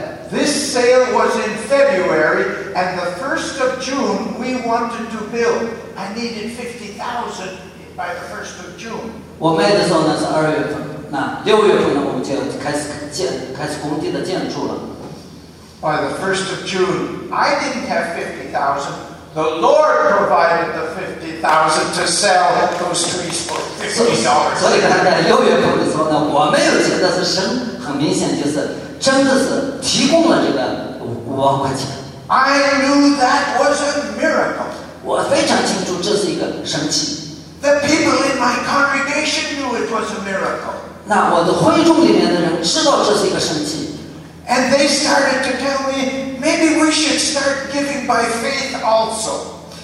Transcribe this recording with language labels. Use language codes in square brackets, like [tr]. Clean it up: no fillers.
[en] This sale was in February, and the 1st of June we wanted to build. I needed 50,000 by the 1st of June. [zh] 我卖的时候呢是二月份，那六月份呢我们就开始工地的建筑了。 [en] By the 1st of June, I didn't have 50,000. The Lord provided the 50,000 to sell those trees for $50. [zh] 所以大家在六月份的时候呢，我没有钱，但是神很明显就是真的是提供了这个五万块钱。 [en] I knew that was a miracle. [zh] 我非常清楚这是一个神奇。 [en] The people in my congregation knew it was a miracle. [zh] 那我的会众里面的人知道这是一个神奇。 [en] And they started to tell me, "Maybe we should start giving by faith also."